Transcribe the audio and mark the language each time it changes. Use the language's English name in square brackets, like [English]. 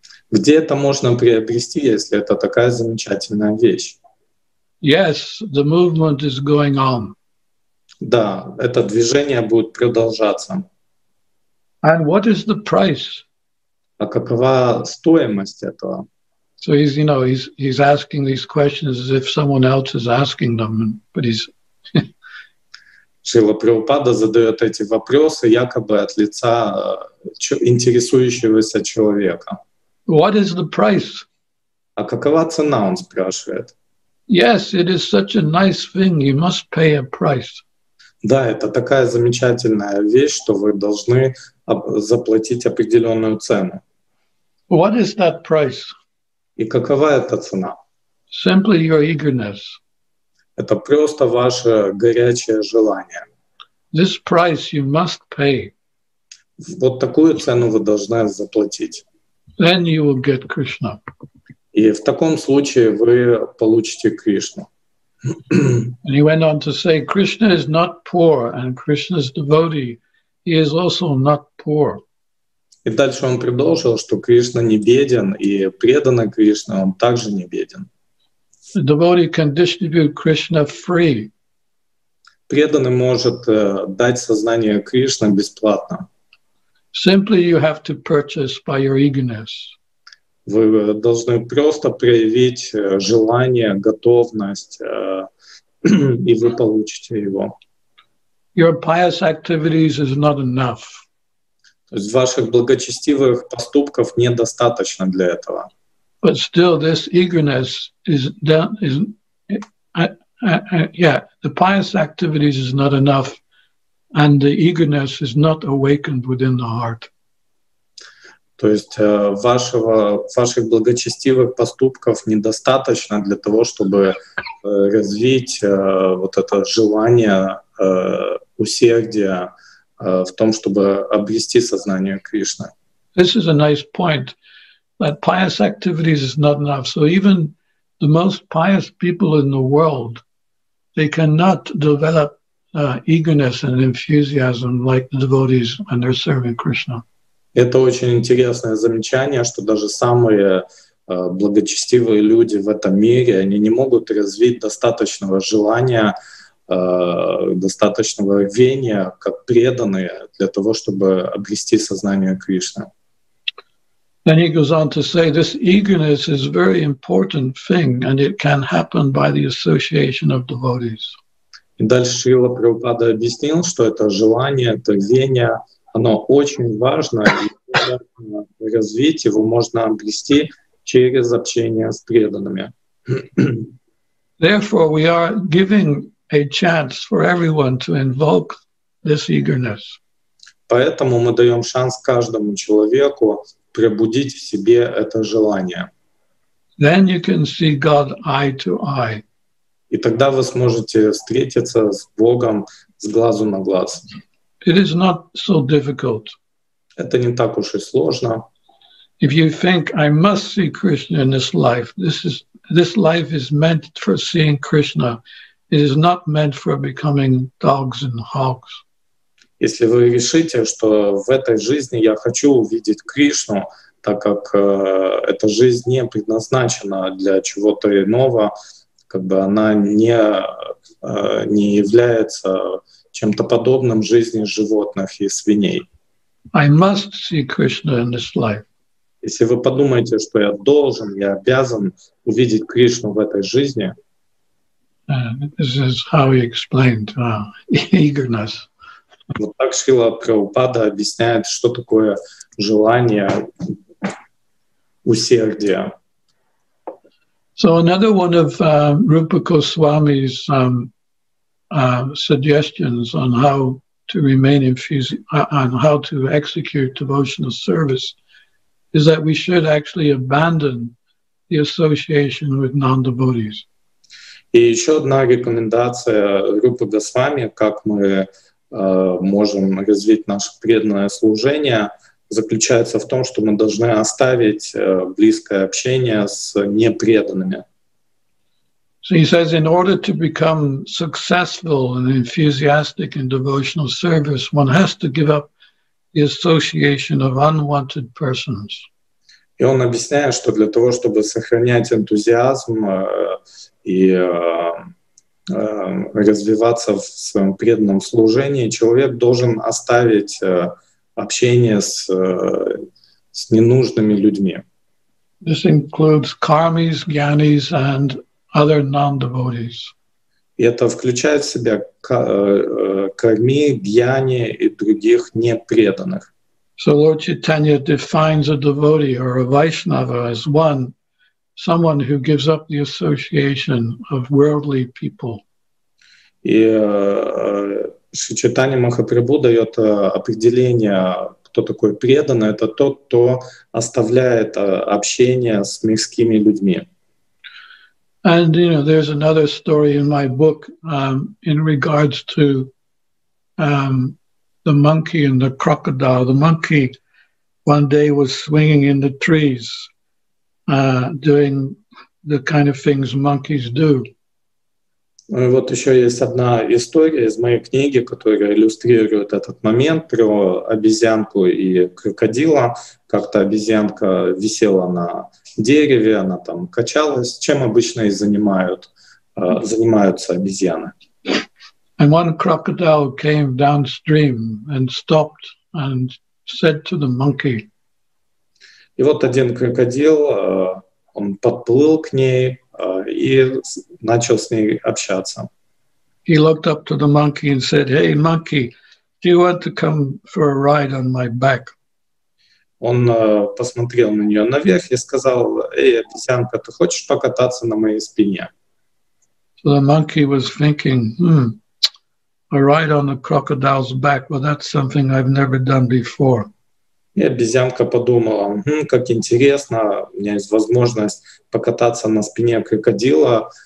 [Russian] Где это можно приобрести, если это такая замечательная вещь? [English] Yes, the movement is going on. [Russian] Да, это движение будет продолжаться. [English] And what is the price? [Russian] А какова стоимость этого? [English] So he's, you know, he's asking these questions as if someone else is asking them, but he's. [Russian] Шрила Прабхупада задает эти вопросы якобы от лица интересующегося человека. [English] What is the price? [Russian] А какова цена, он спрашивает. [English] Yes, it is such a nice thing. You must pay a price. [Russian] Да, это такая замечательная вещь, что вы должны заплатить определенную цену. [English] What is that price? [Russian] И какова эта цена? [English] Simply your eagerness. [Russian] Это просто ваше горячее желание. [English] This price you must pay. [Russian] Вот такую цену вы должны заплатить. [English] Then you will get Krishna. [Russian] И в таком случае вы получите Кришну. [English] And he went on to say, Krishna is not poor, and Krishna's devotee, he is also not poor. [Russian] И дальше он продолжил, что Кришна не беден, и преданный Кришне он также не беден. [English] The devotee can distribute Krishna free. [Russian] Преданный может дать сознание Кришне бесплатно. [English] Simply you have to purchase by your eagerness. [Russian] Вы должны просто проявить желание, готовность, и вы получите его. [English] Your pious activities is not enough. [Russian] То есть ваших благочестивых поступков недостаточно для этого. [English] But still this eagerness the pious activities is not enough, and the eagerness is not awakened within the heart. [Russian] То есть ваших благочестивых поступков недостаточно для того, чтобы развить вот это желание, усердие в том, чтобы обрести сознание Кришны. [English] This is a nice point, that pious activities is not enough. So even the most pious people in the world, they cannot develop eagerness and enthusiasm like the devotees when they're serving Krishna. [Russian] Это очень интересное замечание, что даже самые благочестивые люди в этом мире, они не могут развить достаточного желания, достаточного рвения, как преданные, для того, чтобы обрести сознание Кришны. [English] Then he goes on to say, this eagerness is a very important thing, and it can happen by the association of devotees. [Russian] И дальше Шрила Прабхупада объяснил, что это желание, это рвение, оно очень важно, и развить его можно обрести через общение с преданными. [English] Therefore, we are giving a chance for everyone to invoke this eagerness. [Russian] Поэтому мы даем шанс каждому человеку пробудить в себе это желание. [English] Then you can see God eye to eye. [Russian] И тогда вы сможете встретиться с Богом с глазу на глаз. [English] It is not so difficult. [Russian] Это не так уж и сложно. [English] If you think I must see Krishna in this life, this life is meant for seeing Krishna. It is not meant for becoming dogs and hogs. [Russian] Если вы решите, что в этой жизни я хочу увидеть Кришну, так как эта жизнь не предназначена для чего-то иного, как бы она не является чем-то подобным жизни животных и свиней. [English] I must see Krishna in this life. [Russian] Если вы подумаете, что я должен, я обязан увидеть Кришну в этой жизни. [English] This is how he explained eagerness. [Russian] Вот так Шрила Прабхупада объясняет, что такое желание, усердие. [English] So another one of Rupa Goswami's suggestions on how to remain infused on how to execute devotional service is that we should actually abandon the association with non-devotees. [Russian] И еще одна рекомендация Рупы Госвами, как мы можем развить наше преданное служение, заключается в том, что мы должны оставить близкое общение с непреданными. [English] So he says, in order to become successful and enthusiastic in devotional service, one has to give up the association of unwanted persons. [Russian] И он объясняет, что для того, чтобы сохранять энтузиазм и развиваться в своем преданном служении, человек должен оставить общение с ненужными людьми. [English] This includes karmis, gyanis, and other non-devotees. [Russian] И это включает в себя карми, гьяни и других непреданных. [English] So Lord Chaitanya defines a devotee or a Vaishnava as one, someone who gives up the association of worldly people. [Russian] И Шри Чайтанья Махапрабху дает определение, кто такой преданный. Это тот, кто оставляет общение с мирскими людьми. [English] And you know, there's another story in my book in regards to the monkey and the crocodile. The monkey one day was swinging in the trees, doing the kind of things monkeys do. [Russian] Вот еще есть одна история из моей книги, которая иллюстрирует этот момент про обезьянку и крокодила. Как-то обезьянка висела на дереве, она там качалась. Чем обычно и занимаются обезьяны? [English] And one crocodile came downstream and stopped and said to the monkey. [Russian] И вот один крокодил, он подплыл к ней и начал с ней общаться. [English] He looked up to the monkey and said, "Hey, monkey, do you want to come for a ride on my back?" [Russian] Он посмотрел на нее наверх и сказал: "Эй, обезьянка, ты хочешь покататься на моей спине?" [English] So the monkey was thinking, "A ride on a crocodile's back? Well, that's something I've never done before." [Russian] И обезьянка подумала: как интересно, у меня есть возможность покататься на спине крокодила.